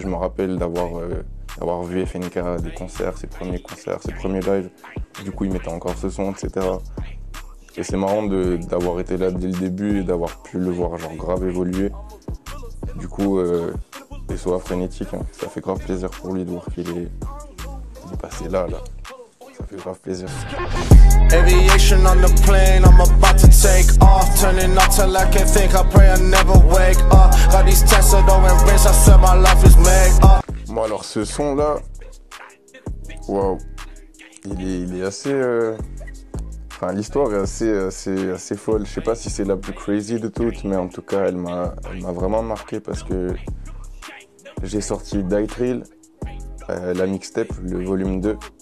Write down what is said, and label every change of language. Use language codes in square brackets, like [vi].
[fr] Je me rappelle d'avoir vu FNK des concerts, ses premiers lives. Du coup, il mettait encore ce son, etc. Et c'est marrant d'avoir été là dès le début et d'avoir pu le voir genre grave évoluer. Du coup, et soit frénétique, hein. Ça fait grave plaisir pour lui de voir qu'il est... Il est passé là. Ça fait grave plaisir. [en] Aviation on the plane, I'm about to take off. Turning up till I can think, I pray I never wake up. Got these tests, I don't embrace, I said my life is made up. [fr] Bon, alors ce son là, waouh, il est assez. Enfin, l'histoire est assez folle. Je sais pas si c'est la plus crazy de toutes, mais en tout cas, elle m'a vraiment marqué parce que. J'ai sorti Die Trill, la mixtape, le volume 2.